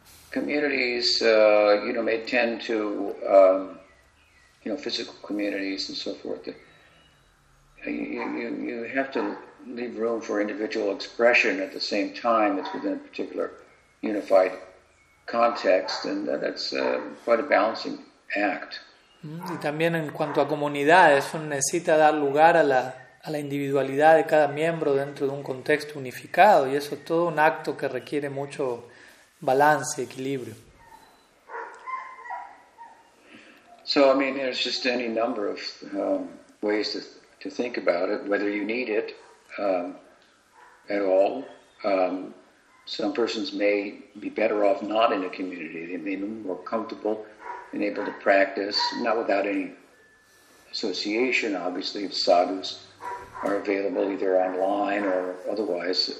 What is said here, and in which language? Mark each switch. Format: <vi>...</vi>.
<en>Communities, you know, may tend to, you know, physical communities and so forth. You have to leave room for individual expression at the same time that's within a particular unified context, and that's quite a balancing act.</en> <es>Y también en cuanto a comunidades, uno necesita dar lugar a la individualidad de cada miembro dentro de un contexto unificado, y eso es todo un acto que requiere mucho balance, equilibrio.</es> <en>So, I mean, there's just any number of ways to think about it, whether you need it at all. Some persons may be better off not in a community. They may be more comfortable and able to practice, not without any association, obviously, if sadhus are available either online or otherwise.</en>